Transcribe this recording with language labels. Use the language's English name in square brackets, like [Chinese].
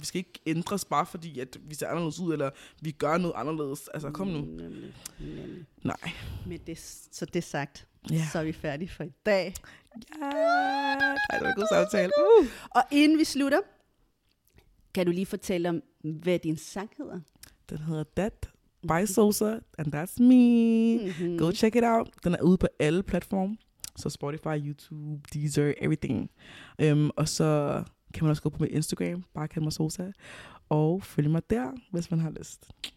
[Danish] Vi skal ikke ændres bare fordi, at vi ser anderledes ud, eller vi gør noget anderledes. Altså, kom nu. Nej. Men det, så det sagt, så er vi færdige for i dag. Ja. Ej, det var en god samtale. Og inden vi slutter, kan du lige fortælle om, hvad din sang hedder? Den hedder That by Sosa, [English] and that's me. Mm-hmm. Go check it out. [Danish] Den er ude på alle platforme. Så Spotify, YouTube, Deezer, everything. Og så kan man også gå på min Instagram, bare kalde mig Sosa. Og følg mig der, hvis man har lyst.